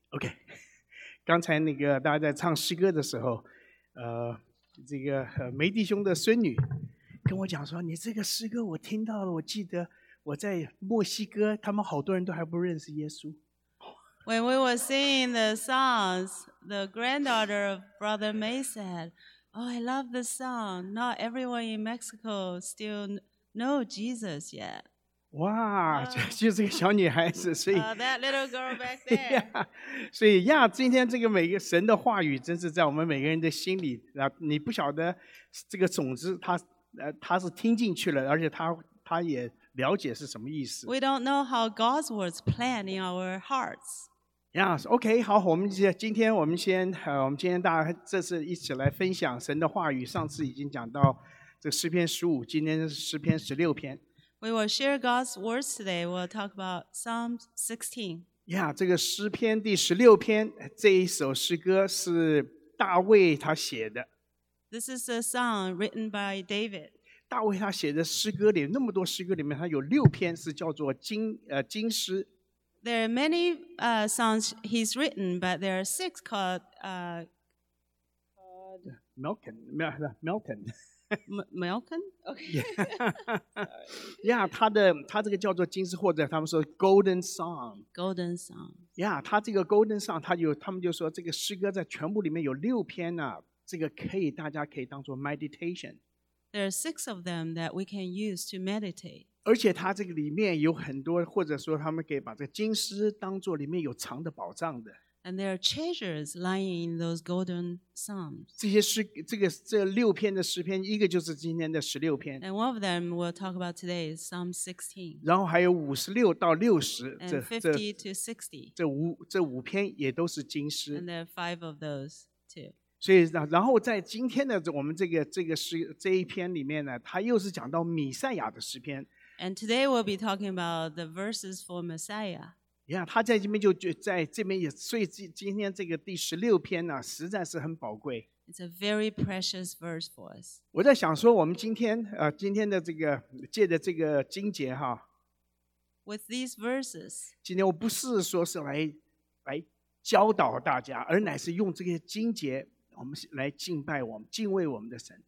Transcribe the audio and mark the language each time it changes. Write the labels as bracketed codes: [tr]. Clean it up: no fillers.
[zh] OK， 刚才那个大家在唱诗歌的时候，这个梅弟兄的孙女跟我讲说，你这个诗歌我听到了，我记得我在墨西哥，他们好多人都还不认识耶稣。 [en] When we were singing the songs, the granddaughter of Brother May said, "Oh, I love the song. Not everyone in Mexico still know Jesus yet." [zh] 哇，就是个小女孩子，所以 [en] that little girl back there. [zh] 所以呀，今天这个每个神的话语，真是在我们每个人的心里。那你不晓得这个种子，他是听进去了，而且他也了解是什么意思。 [en] We don't know how God's words plant in our hearts. Yes, okay. [zh] 好，我们今天我们今天大家这次一起来分享神的话语。上次已经讲到这个诗篇十五，今天是诗篇十六篇。 [en] We will share God's words today. We'll talk about Psalm 16. [zh] Yeah, 这个诗篇第十六篇这一首诗歌是大卫他写的。 [en] This is a song written by David. [zh] 大卫他写的诗歌里那么多诗歌里面，他有六篇是叫做经诗。 [en] There are many songs he's written, but there are six called Melken. Melken? [zh] Okay. Yeah, 他这个叫做金诗，或者他们说 Golden Song. [en] Golden Song. [zh] Yeah, 他这个 Golden Song, 他们就说这个诗歌在全部里面有六篇啊，这个可以大家可以当做 meditation. [en] There are six of them that we can use to meditate. [zh] 而且他这个里面有很多，或者说他们可以把这个金诗当做里面有藏的宝藏的。 [en] And there are treasures lying in those golden psalms. [zh] 这六篇的诗篇，一个就是今天的十六篇。 [en] And one of them we'll talk about today is Psalm 16. [zh] 然后还有五十六到六十。 [en] And 50 to 60. [zh] 这五篇也都是经诗。 [en] And there are five of those too. [zh] 所以然后在今天的我们这一篇里面呢，它又是讲到弥赛亚的诗篇。 [en] And today we'll be talking about the verses for Messiah. [zh] Yeah, 他在这边就在这边也，所以今天这个第十六篇呢，实在是很宝贵。 [en] It's a very precious verse for us. [zh] 我在想说，我们今天的这个借着这个经节哈 [en] ，With these verses， [zh] 今天我不是说是来教导大家，而乃是用这些经节，我们来敬拜我们敬畏我们的神。